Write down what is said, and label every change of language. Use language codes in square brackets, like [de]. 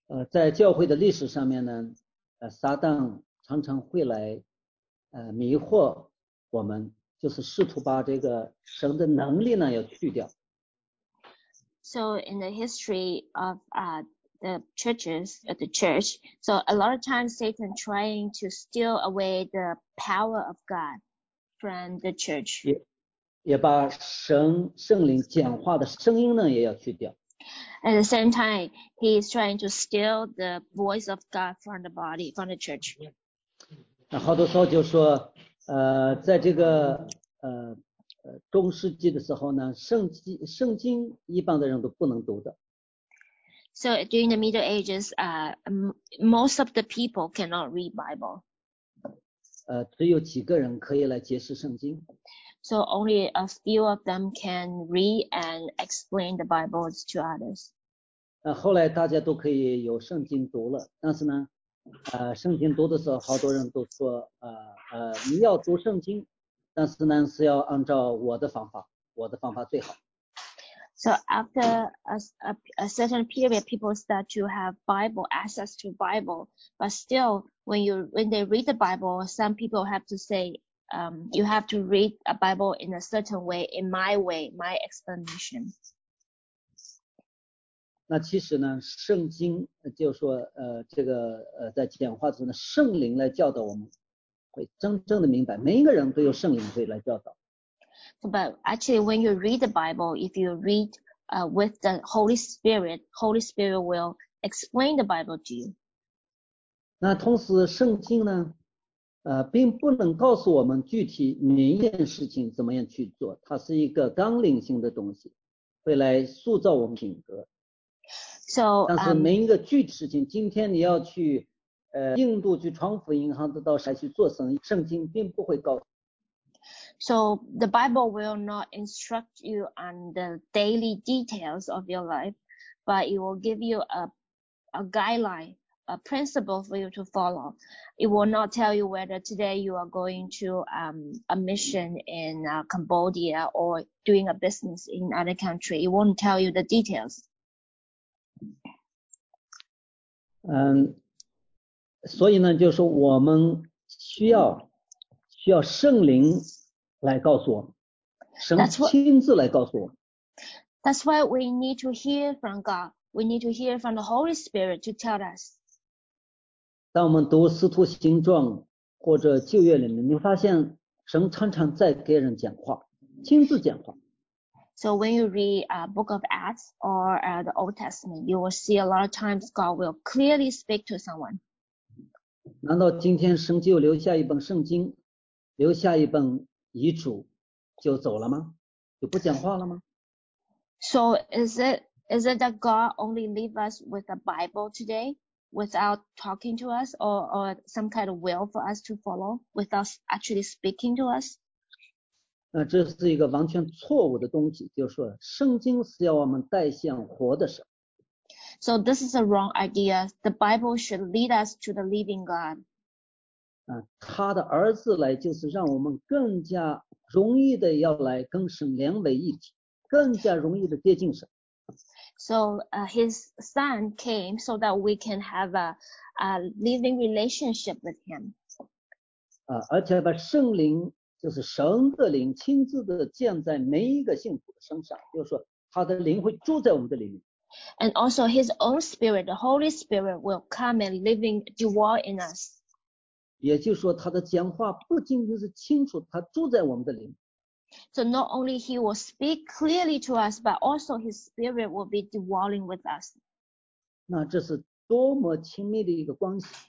[zh] 在教会的历史上面呢，撒旦常常会来迷惑我们，就是试图把这个神的能力呢要去掉。 [en] So in the history of the churches, of the church, so a lot of times Satan trying to steal away the power of God from the church. [zh] 也把神圣灵讲话的声音呢也要去掉。 [en] At the same time, he is trying to steal the voice of God from the body, from the church. [zh] 那好多时候就说，在这个中世纪的时候呢，圣经一般的人都不能读的。 [en] So during the Middle Ages, most of the people cannot read Bible. [zh] 只有几个人可以来解释圣经。 [en] So only a few of them can read and explain the Bibles to others. [zh] 后来大家都可以有圣经读了，但是呢，圣经读的时候，好多人都说，你要读圣经，但是呢是要按照我的方法，我的方法最好。 [en] So after a certain period, people start to have Bible access to Bible, but still, when they read the Bible, some people have to say, you have to read a Bible in a certain way, in my way, my explanation. [zh] 那其实呢，圣经就说，在简化中呢，圣灵来教导我们，会真正的明白。每一个人都有圣灵会来教导。 [en] But actually, when you read the Bible, if you read with the Holy Spirit will explain the Bible to you. [zh] 那同时圣经呢，并不能告诉我们具体每一件事情怎么样去做，它是一个纲领性的东西，会来塑造我们品格。 [en] So, [zh] 但是每一个具体事情，今天你要去印度去传福音，还是到谁去做生意，圣经并不会告诉你。 [en] So the Bible will not instruct you on the daily details of your life, but it will give you a guideline, a principle for you to follow. It will not tell you whether today you are going to a mission in Cambodia or doing a business in other country. It won't tell you the details. [zh] 所以呢，就是我们需要圣灵来告诉我们，神亲自来告诉我们。 [en] That's why we need to hear from God. We need to hear from the Holy Spirit to tell us. [zh] 当我们读《使徒行传》或者旧约里面，你发现神常常在给人讲话，亲自讲话。 [en] So when you read a book of Acts or the Old Testament, you will see a lot of times God will clearly speak to someone. [zh] 难道今天神就留下一本圣经，留下一本遗嘱就走了吗？就不讲话了吗？ [en] So is it that God only leave us with a Bible today without talking to us or some kind of will for us to follow without actually speaking to us? [zh] 这是一个完全错误的东西，就是说圣经是要我们带向活的神。 [en] So this is a wrong idea. The Bible should lead us to the living God. [zh] 他的儿子来就是让我们更加容易的要来跟神连为一体，更加容易的接近神。 [en] So his son came so that we can have a living relationship with him. [zh] 而且把圣灵就是神的灵亲自的降在每一个信徒的身上，就是说他的灵会住在我们的里面。 [en] And also his own spirit, the Holy Spirit will come and living dwell in us. [zh] 也就是说他的讲话不仅仅是清楚，他住在我们的里面。 [en] So not only he will speak clearly to us, but also his spirit will be dwelling with us. [zh] 那这是多么亲密的一个关系。